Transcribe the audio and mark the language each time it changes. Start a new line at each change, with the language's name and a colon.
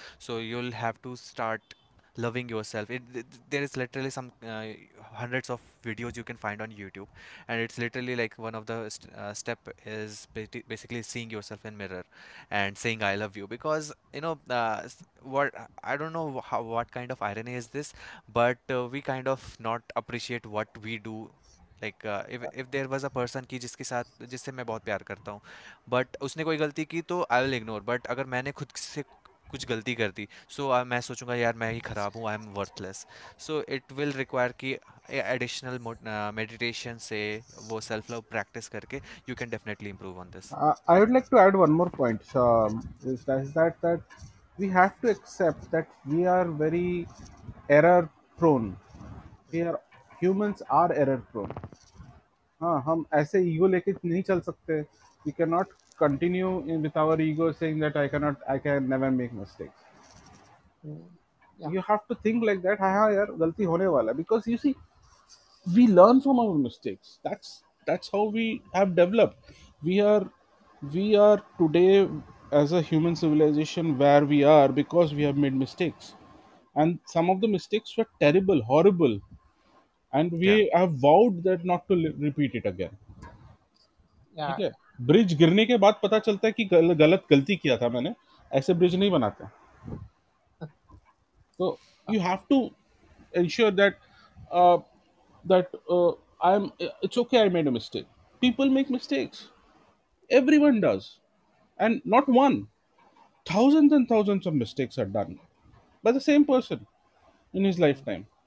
English: So you'll have to start loving yourself. There is literally some hundreds of videos you can find on YouTube, and it's literally like one of the step is basically seeing yourself in mirror and saying I love you. Because what I don't know how what kind of irony is this, but we kind of not appreciate what we do. Like if there was a person
Hindi: की जिसके साथ जिससे मैं बहुत प्यार करता हूँ, but उसने कोई गलती की तो
English: I will ignore.
Hindi: बट अगर मैंने खुद से कुछ गलती कर दी, मैं सोचूंगा यार मैं ही खराब हूँ,
English: I am worthless. So it will require कि additional meditation से वो सेल्फ लव प्रैक्टिस करके you can definitely improve on this. I would like to add one more point. That we have to accept that we are very error prone. Humans are error prone.
Hindi: हाँ, हम ऐसे ego लेके नहीं चल सकते.
English: We can not continue in with our ego saying that I can never make mistakes. Yeah. You have to think like that.
Hindi: Haan yaar, galti hone wala.
English: Because you see, we learn from our mistakes. That's how we have developed. We are today as a human civilization where we are because we have made mistakes. And some of the mistakes were terrible, horrible. And we have vowed that not to repeat it again. Yeah. Okay.
Hindi: Bridge गिरने के बाद पता चलता है कि गलत गलती किया था मैंने, ऐसे ब्रिज नहीं बनाते.
English: तो you have to ensure that that I am it's okay I made a mistake. People make mistakes, everyone does, and not one, thousands and thousands of mistakes are done by the same person in his life time.